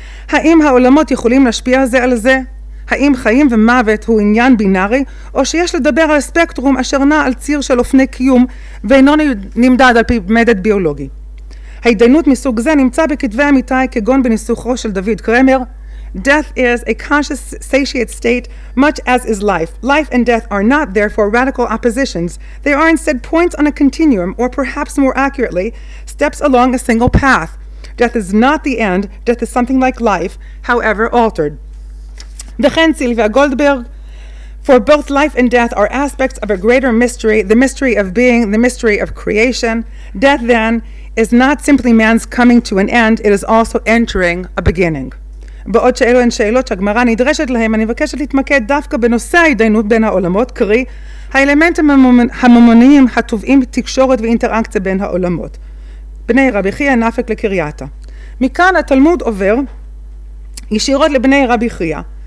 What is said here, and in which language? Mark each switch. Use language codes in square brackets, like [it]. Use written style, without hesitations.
[he] האם העולמות יכולים להשפיע זה על זה? האם חיים ומוות הוא עניין בינארי, או שיש לדבר על ספקטרום אשר נע על ציר של אופני קיום ואינו נמדד על פי מדד ביולוגי? ההתדיינות מסוג זה נמצא בכתבי אמיתי כגון בניסוחו של דוד קרמר, [en] Death is a conscious satiate state much as is life. Life and death are not therefore radical oppositions. They are instead points on a continuum or perhaps more accurately steps along a single path. Death is not the end. Death is something like life, however altered. [he] וכן [en] סילביה גולדברג, for both life and death are aspects of a greater mystery, the mystery of being, the mystery of creation. Death then is not simply man's coming to an end, it is also entering a beginning. [he] בעוד שאלו הן שאלות שהגמרא נדרשת להם, אני מבקשת להתמקד דווקא בנושא ההתדיינות בין העולמות, קרי, האלמנטים הממוניים הטובעים תקשורת ואינטראקציה בין העולמות. [arc] בני רבי חייא נפק לקרייתא. [he] מכאן התלמוד עובר ישירות לבני רבי חייא.